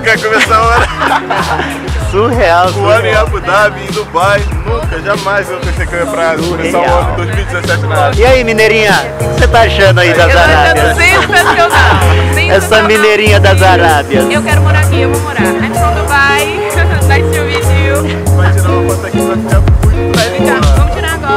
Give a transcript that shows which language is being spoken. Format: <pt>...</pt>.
<pt>Nunca, começar o ano. Surreal. O ano em Abu Dhabi, em Dubai, nunca, jamais eu pensei que eu ia pra começar o ano em 2017 na Arábia. E aí, mineirinha, o que você tá achando aí das Arábias? Eu tô sensacional. Essa mineirinha das Arábias. Eu quero morar aqui, eu vou morar.</pt> <en>I'm from Dubai, nice to meet you.</en> <pt>Vai tirar uma foto aqui, vai ficar muito boa. Vai ficar, vamos tirar agora.</pt>